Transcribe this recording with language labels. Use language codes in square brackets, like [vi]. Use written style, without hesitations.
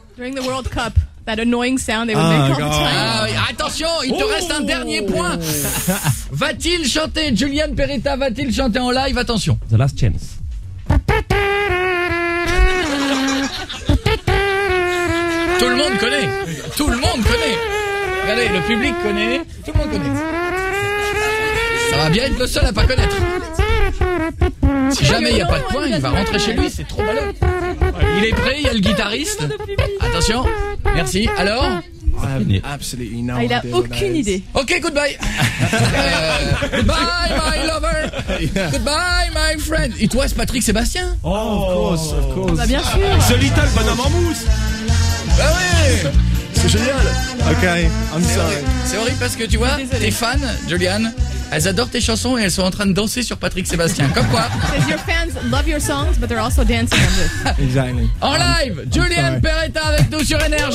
[en] During the World Cup, that annoying sound they would make all the time. [fr] Attention, il te reste un dernier point. Va-t-il chanter, Julian Peretta, va-t-il chanter en live? Attention. [en] The last chance. [fr] Tout le monde connaît. Tout le monde connaît. Regardez, le public connaît. Tout le monde connaît. Ça va bien être le seul à pas connaître. Si jamais il n'y a pas de point, il va rentrer chez lui. C'est trop malin. Il est prêt, il y a le guitariste. Attention, merci. Alors, il a aucune idée. [en] Ok, goodbye. Goodbye, my lover. Goodbye, my friend. It was Patrick Sébastien. Oh, of course. [fr] Bah, bien sûr. [en] The little [fr] bonhomme en mousse. Ben oui. C'est génial. [en] Ok, I'm sorry. [fr] C'est horrible parce que tu vois, tes fans, Julian, elles adorent tes chansons et elles sont en train de danser sur Patrick Sébastien. Comme quoi. [en] Because your fans love your songs, but they're also dancing on this. Exactly. [fr] En live, Julian Peretta avec nous sur NRJ.